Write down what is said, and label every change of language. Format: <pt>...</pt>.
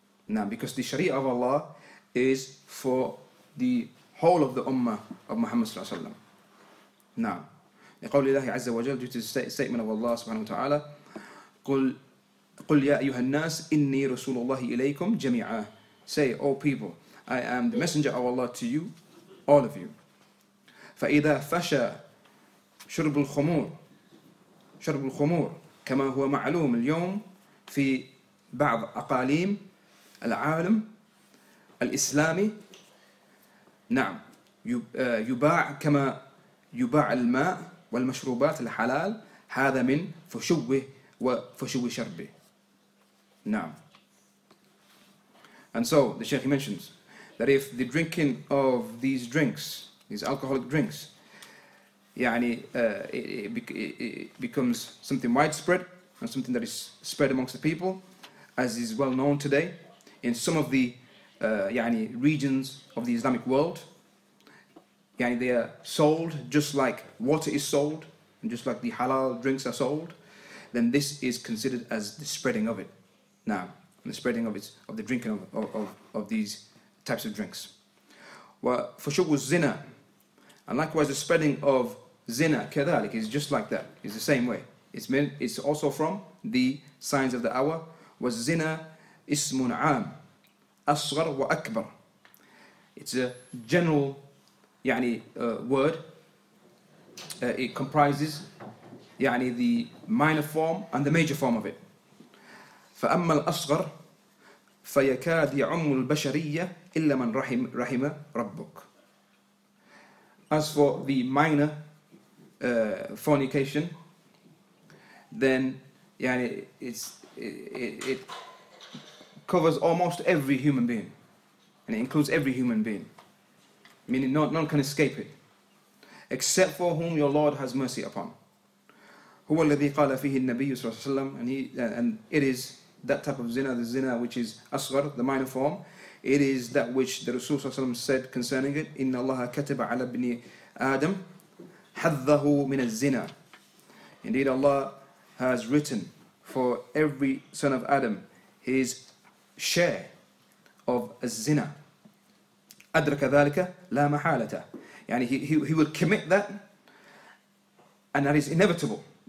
<en>Now, because the Sharia of Allah is for the whole of the Ummah of Muhammad</en> <ar>صلى الله عليه وسلم. Now, لقول الله عز وجل,</ar> <en>due to the statement of Allah</en> <ar>سبحانه وتعالى, قل يا أيها الناس إني رسول الله إليكم جميعا.</ar> <en>Say, O people, I am the messenger of Allah to you, all of you.</en> <ar>فإذا فشى شرب الخمور, شرب الخمور كما هو معلوم اليوم في بعض أقاليم العالم الإسلامي, نعم يباع كما يباع الماء والمشروبات الحلال, هذا من فشوه وفشوه شربه. نعم.</ar> <en>And so the Sheikh mentions that if the drinking of these drinks, these alcoholic drinks, it becomes something widespread and something that is spread amongst the people, as is well known today in some of the regions of the Islamic world, they are sold just like water is sold, and just like the halal drinks are sold, then this is considered as the spreading of it. Now, the spreading of it, of the drinking of these types of drinks. Well, for sure was zina. And likewise, the spreading of zina, كذلك, is just like that. It's the same way. It's also from the signs of the hour.</en> <ar>Was zina ismun aam, asghar wa akbar.</ar> <en>It's a general word. It comprises the minor form and the major form of it.</en> <ar>فأما الأصغر فيكاد يعم البشرية إلا من رحم ربك.</ar> <en>As for the minor fornication, then it covers almost every human being, and it includes every human being, meaning none can escape it, except for whom your Lord has mercy upon.</en> <ar>هو الذي قال فيه النبي صلى الله عليه وسلم,</ar> <en>and it is that type of zina, the zina which is asghar, the minor form, it is that which the Rasul صلى الله عليه وسلم said concerning it.</en> <ar>إن الله كتب على ابن آدم حظه من الزنا.</ar> <en>Indeed, Allah has written for every son of Adam his share of zina.</en> <ar>أدرك ذلك لا محالة.</ar> <en>He will commit that, and that is inevitable.</en>